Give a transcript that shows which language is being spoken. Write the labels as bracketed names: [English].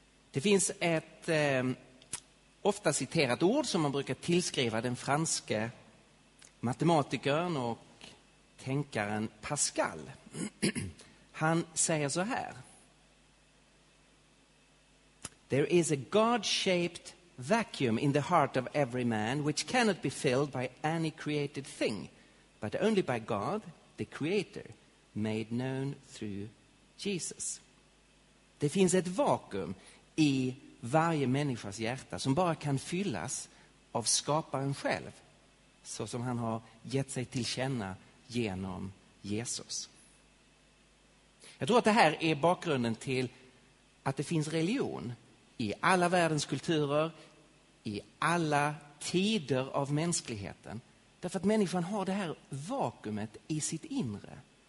[Swedish] Det finns ett ofta citerat ord som man brukar tillskriva den franske matematikern och tänkaren Pascal. Han säger så här: [English] There is a God-shaped vacuum in the heart of every man which cannot be filled by any created thing, but only by God, the Creator, made known through Jesus. [Swedish] Det finns ett vakuum i varje människas hjärta som bara kan fyllas av skaparen själv, så som han har gett sig till känna genom Jesus. Jag tror att det här är bakgrunden till att det finns religion i alla världens kulturer, i alla tider av mänskligheten, därför att människan har det här vakuumet i sitt inre.